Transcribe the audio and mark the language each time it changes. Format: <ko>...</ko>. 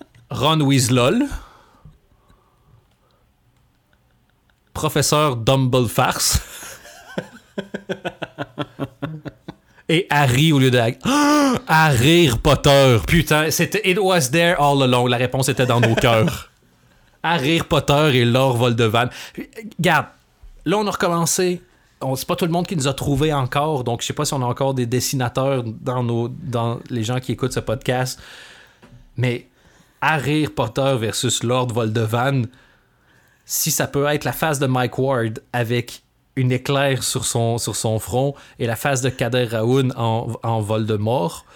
<fr>Ron Weasley. Professeur Dumblefarce. Et Harry au lieu de Harry Potter. Putain, c'était</fr> <en>It was there all along.</en> <fr>La réponse était dans nos cœurs. Harry Potter et Lord Voldevan. Garde, là on a recommencé. C'est pas tout le monde qui nous a trouvé encore. Donc je sais pas si on a encore des dessinateurs dans les gens qui écoutent ce podcast. Mais Harry Potter versus Lord Voldevan, si ça peut être la face de Mike Ward avec une éclair sur son front et la face de Kader Raoun en Voldemort.</fr>